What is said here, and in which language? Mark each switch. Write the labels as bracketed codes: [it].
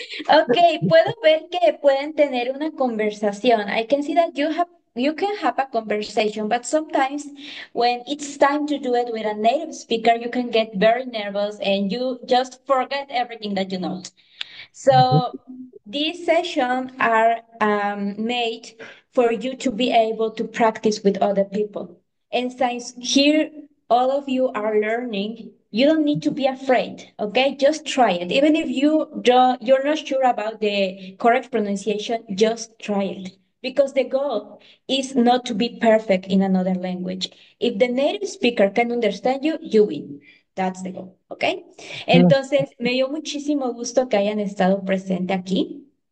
[es] Ok, puedo ver que pueden tener una conversación. [en] I can see that you can have a conversation, but sometimes when it's time to do it with a native speaker, you can get very nervous and you just forget everything that you know. So these sessions are made for you to be able to practice with other people. And since here all of you are learning, you don't need to be afraid, okay? Just try it. Even if you're not sure about the correct pronunciation, just try it. Because the goal is not to be perfect in another language. If the native speaker can understand you, you win. That's the goal, okay? [es] Entonces, me dio muchísimo gusto que hayan estado presente aquí.